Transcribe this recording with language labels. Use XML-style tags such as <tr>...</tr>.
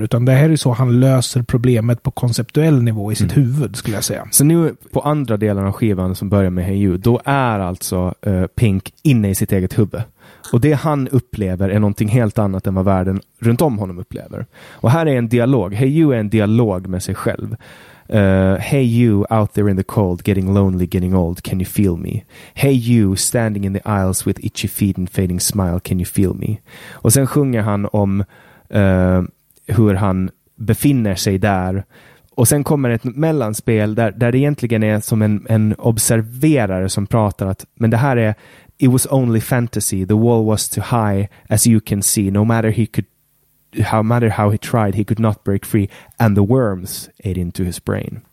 <sv>Utan det här är så han löser problemet på konceptuell nivå i sitt huvud, skulle jag säga. Så nu på andra delen av skivan som börjar med Hey You, då är alltså Pink inne i sitt eget huvud. Och det han upplever är någonting helt annat än vad världen runt om honom upplever. Och här är en dialog. Hey You är en dialog med sig själv.</sv> <en>Hey you out there in the cold, getting lonely, getting old, can you feel me? Hey you standing in the aisles with itchy feet and fading smile, can you feel me?</en> <sv>Och sen sjunger han om hur han befinner sig där. Och sen kommer ett mellanspel där det egentligen är som en observerare som pratar att, men det här är,</sv> <en>it was only fantasy, the wall was too high, as you can see, no matter how he tried, he could not break free, and the worms ate into his brain.</en>